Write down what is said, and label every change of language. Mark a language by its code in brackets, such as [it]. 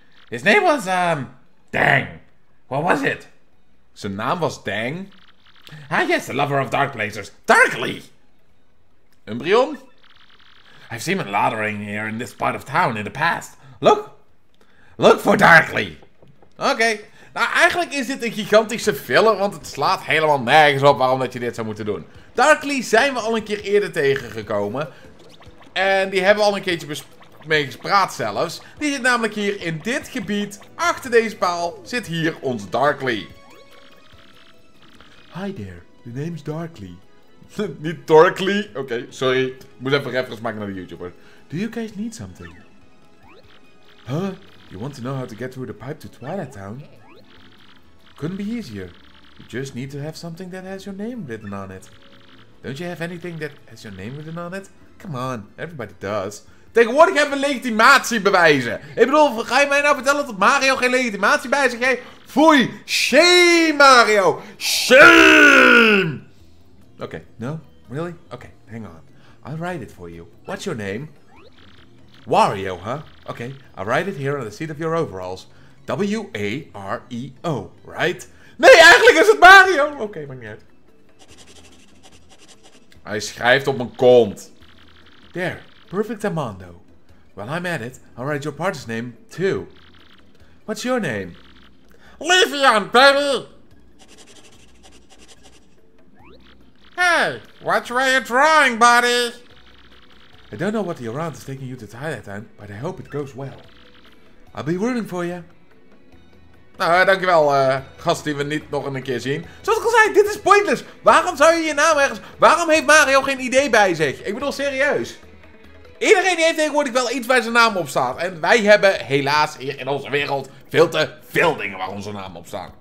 [en] His name was, Dang. What was it? [nl] Zijn naam was Dang? [en] Ah yes, the lover of dark blazers. Darkly! Umbreon? I've seen him loitering here in this part of town in the past. Look! Look for Darkly! Okay. [nl] Nou, eigenlijk is dit een gigantische filler, want het slaat helemaal nergens op waarom dat je dit zou moeten doen. Darkly zijn we al een keer eerder tegengekomen. En die hebben we al een keertje mee gepraat zelfs. Die zit namelijk hier in dit gebied, achter deze paal, zit hier ons Darkly. [en] Hi there, the name is Darkly. [nl] Niet Darkly? [en] Okay, sorry. [nl] Moet even reference maken naar de YouTuber. [en] Do you guys need something? Huh? You want to know how to get through the pipe to Twilight Town? Couldn't be easier. You just need to have something that has your name written on it. Don't you have anything that has your name written on it? Come on, everybody does. [nl] Tegenwoordig hebben we legitimatiebewijzen. Ik bedoel, ga je mij nou vertellen dat Mario geen legitimatie bij zich heeft? [en] Foei, shame Mario, shame! Okay, no, really? Okay, hang on. I'll write it for you. What's your name? Wario, huh? Okay, I'll write it here on the seat of your overalls. W-A-R-E-O, right? [nl] Nee, eigenlijk is het Mario! Okay, maakt niet uit. Hij schrijft op mijn kont. [en] There, perfect Armando. While I'm at it, I'll write your partner's name, too. What's your name? Livion, baby! Hey, which way are you drawing, buddy? I don't know what the Orant is taking you to Twilight Town, but I hope it goes well. I'll be rooting for you. [nl] Nou, dankjewel, gast die we niet nog een keer zien. Zoals ik al zei, dit is pointless. Waarom zou je je naam ergens... Waarom heeft Mario geen idee bij zich? Ik bedoel, serieus. Iedereen heeft tegenwoordig wel iets waar zijn naam op staat. En wij hebben helaas hier in onze wereld veel te veel dingen waar onze naam op staat.